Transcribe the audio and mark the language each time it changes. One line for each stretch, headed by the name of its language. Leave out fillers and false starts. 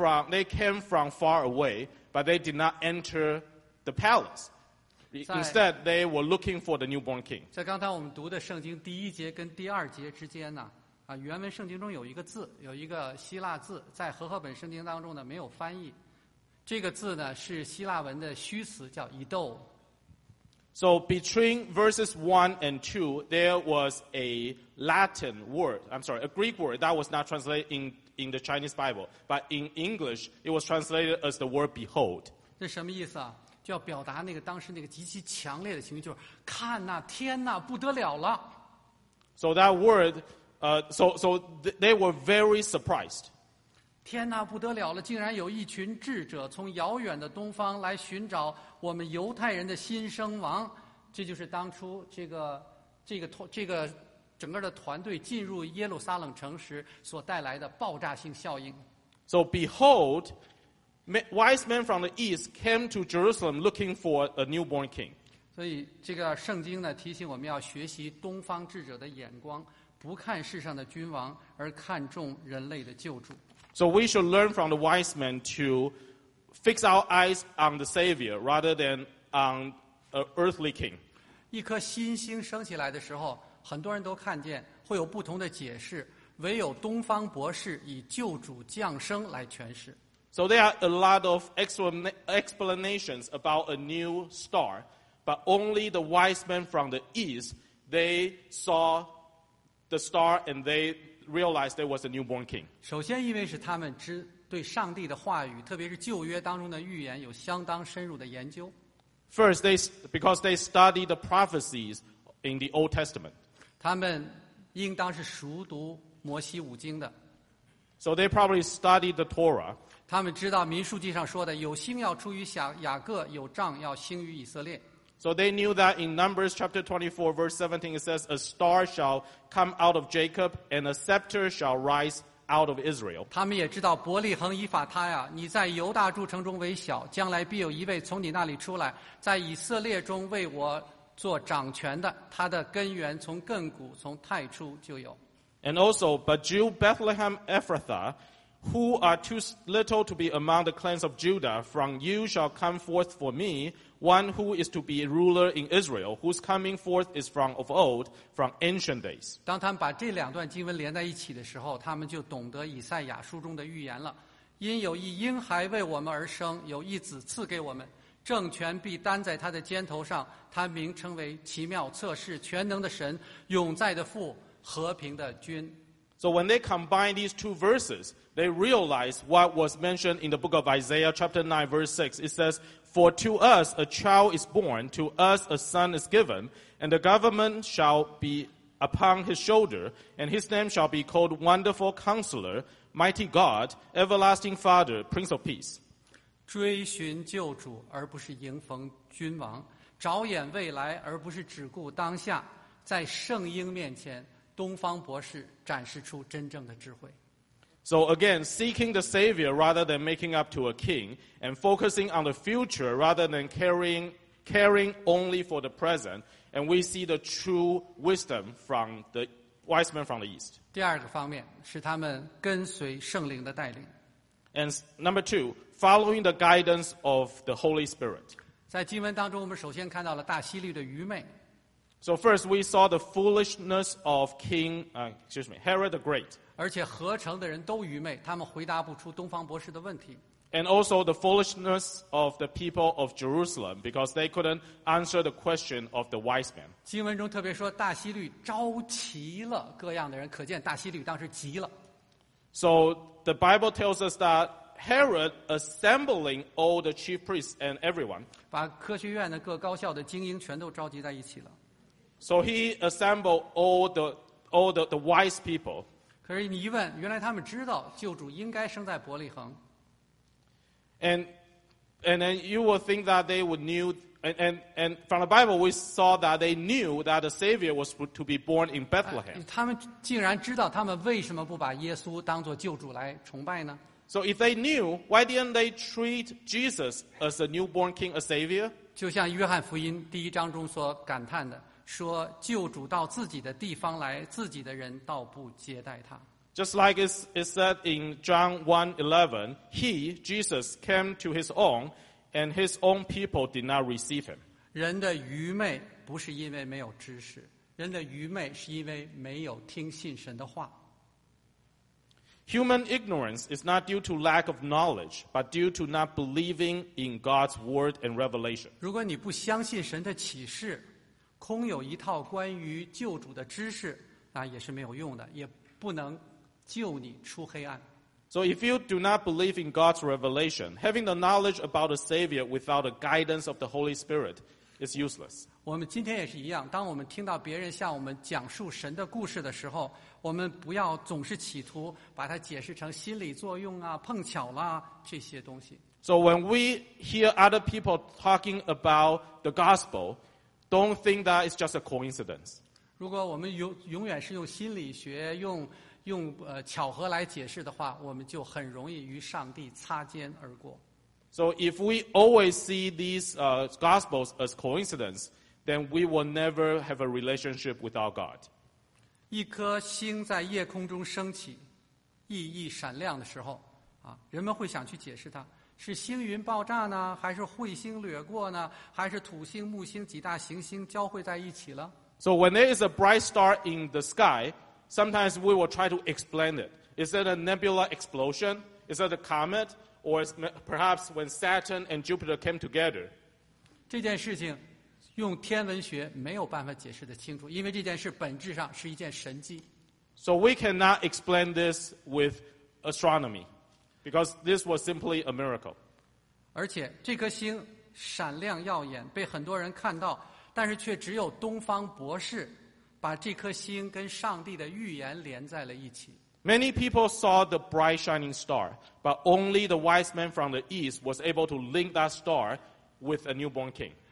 English: They came from far away, but they did not enter the palace. Instead, they were looking for the newborn king.
Chinese: 在刚才我们读的圣经第一节跟第二节之间呢，啊，原文圣经中有一个字，有一个希腊字，在和合本圣经当中呢没有翻译。这个字呢是希腊文的虚词，叫eido。
English: So between verses 1 and 2, there was a Latin word. I'm sorry, a Greek word that was not translated in the Chinese Bible, but in English, it was translated as the word behold.
Chinese: 这什么意思啊？要表达那个当时那个极其强烈的情绪，就是看呐，天呐，不得了了。
English: So that word, so they were very surprised.
Chinese: 天呐，不得了了，竟然有一群智者从遥远的东方来寻找我们犹太人的新生王。这就是当初这个整个的团队进入耶路撒冷城时所带来的爆炸性效应。
English: So behold,wise men from the east came to Jerusalem looking for a newborn king.
Chinese: 所以这个圣经呢提醒我们要学习东方智者的眼光，不看世上的君王，而看重人类的救主。
English: So we should learn from the wise men to fix our eyes on the Savior rather than on an earthly king.
Chinese: 一颗新星升起来的时候，很多人都看见，会有不同的解释，唯有东方博士以救主降生来诠释。
English: So there are a lot of explanations about a new star, but only the wise men from the east, they saw the star and they realized there was a newborn king.
Chinese: 首先因为是他们对上帝的话语，特别是旧约当中的预言有相当深入的研究。
English: First, because they study the prophecies in the Old Testament.
Chinese: 他们应当是熟读摩西五经的。
English: So they probably studied the Torah.
Chinese: 他们知道民数记上说的有星要出于雅各，有杖要兴于以色列。
English: So they knew that in Numbers chapter 24 verse 17 it says, a star shall come out of Jacob and a scepter shall rise out of Israel.
Chinese: 他们也知道伯利恒以法他呀，你在犹大诸城中为小，将来必有一位从你那里出来，在以色列中为我做掌权的，他的根源从亘古从太初就有。
English: And also, but you Bethlehem Ephrathah,Who are too little to be among the clans of Judah, from you shall come forth for me one who is to be a ruler in Israel, whose coming forth is from of old, from ancient days.
Chinese: 当他们把这两段经文连在一起的时候，他们就懂得以赛亚书中的预言了。因有一婴孩为我们而生，有一子赐给我们，政权必担在他的肩头上，他名称为奇妙、策士、全能的神、永在的父、和平的君。
English: So when they combine these two verses, they realize what was mentioned in the book of Isaiah chapter 9 verse 6. It says, For to us a child is born, to us a son is given, and the government shall be upon his shoulder, and his name shall be called Wonderful Counselor, Mighty God, Everlasting Father, Prince of Peace.
Chinese: 追寻救主而不是迎逢君王，着眼未来而不是只顾当下，在圣婴面前东方博士展示出真正的智慧。
English: So again, seeking the Savior rather than making up to a king, and focusing on the future rather than caring only for the present, and we see the true wisdom from the wise men from the East.
Chinese: 第二个方面是他们跟随圣灵的带领。
English: And number two, following the guidance of the Holy Spirit.
Chinese: 在经文当中，我们首先看到了大希律的愚昧。
English: So first, we saw the foolishness of Herod the Great.
Chinese: 而且合成的人都愚昧，他们回答不出东方博士的问题。
English: And also the foolishness of the people of Jerusalem, because they couldn't answer the question of the wise man.
Chinese: 经文中特别说大希律召集了各样的人，可见大希律当时急了。
English: So the Bible tells us that Herod assembling all the chief priests and everyone.
Chinese: 把科学院的各高校的精英全都召集在一起了。
English: So he assembled all the wise people.
Chinese: 可是你一问，原来他们知道救主应该生在伯利恒。
English: And then you will think that they would knew and from the Bible we saw that they knew that the Savior was to be born in Bethlehem.
Chinese: 他们竟然知道，他们为什么不把耶稣当作救主来崇拜呢
English: ？So if they knew, why didn't they treat Jesus as a newborn King, a Savior?
Chinese: 就像约翰福音第一章中所感叹的。说救主到自己的地方来，自己的人倒不接待他。
English: Just like it said in John 1:11, He Jesus came to his own, and his own people did not receive him.
Chinese: 人的愚昧不是因为没有知识，人的愚昧是因为没有听信神的话。
English: Human ignorance is not due to lack of knowledge, but due to not believing in God's word and revelation.
Chinese: 如果你不相信神的启示。空有一套关于救主的知识，那也是没有用的，也不能救你出黑暗。
English: So if you do not believe in God's revelation, having the knowledge about the Savior without the guidance of the Holy Spirit is useless.
Chinese: 我们今天也是一样，当我们听到别人向我们讲述神的故事的时候，我们不要总是企图把它解释成心理作用啊、碰巧啦这些东西。
English: So when we hear other people talking about the gospel,Don't think that it's just a coincidence.
Chinese: 如果我们永远是用心理学、用巧合来解释的话，我们就很容易与上帝擦肩而过。
English: So if we always see these gospels as coincidence, then we will never have a relationship with our God.
Chinese: 一颗星在夜空中升起，熠熠闪亮的时候，人们会想去解释它。是星云爆炸呢，还是彗星掠过呢，还是土星、木星几大行星交汇在一起了
English: ？So when there is a bright star in the sky, sometimes we will try to explain it. Is it a nebula explosion? Is it a comet? Or is perhaps when Saturn and Jupiter came together?
Chinese: 这件事情用天文学没有办法解释得清楚，因为这件事本质上是一件神迹。
English: So we cannot explain this with astronomy. Because this was simply a miracle.
Chinese: 而且这颗星闪亮耀眼，被很多人看到，但是却只有东方博士把这颗星跟上帝的预言连在了一起。
English: Many people saw the bright shining star, but only the wise man from the east was able to link that star with a newborn king.